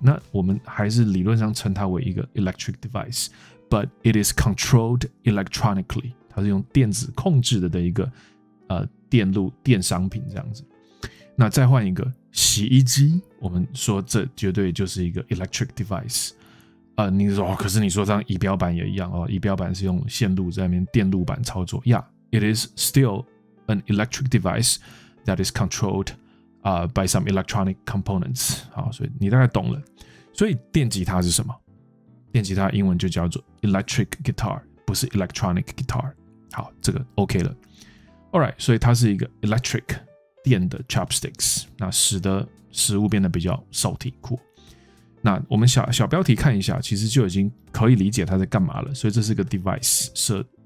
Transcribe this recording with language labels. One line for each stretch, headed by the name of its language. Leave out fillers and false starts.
Chinese: 那我们还是理论上称它为一个 electric device，
English: but it is controlled electronically，
Chinese: 它是用电子控制的一个电路电商品这样子。那再换一个洗衣机，我们说这绝对就是一个 electric device。你说、哦、可是你说这样仪表板也一样、哦、仪表板是用线路在那边电路板操作。
English: Yeah, it is still an electric device that is controlled、by some electronic components.
Chinese: 好，所以你大概懂了。所以电吉他是什么？电吉他英文就叫做 electric guitar， 不是 electronic guitar。好，这个 OK 了。 Alright, 所以它是一个 electric 电的 chopsticks， 那使得食物变得比较
English: salty cool。
Chinese: 那我们小标题看一下，其实就已经可以理解它在干嘛了。所以这是个 device 设